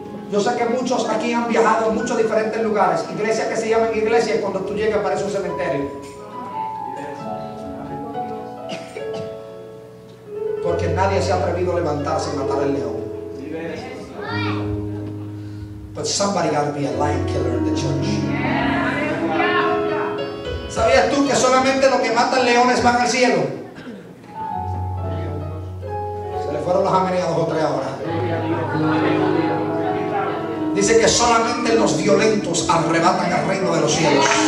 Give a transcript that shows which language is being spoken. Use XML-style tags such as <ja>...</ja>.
<es>Yo sé que muchos aquí han viajado en muchos diferentes lugares. Iglesias que se llaman iglesias, cuando tú llegas parece un cementerio. Porque nadie se ha atrevido a levantarse y matar al león.</es> <en>But somebody got to be a lion killer in the church.</en> <es>¿Sabías tú que solamente los que matan leones van al cielo? Se le fueron las amenas dos o tres ahora. Dice que solamente los violentos arrebatan el reino de los cielos.</es>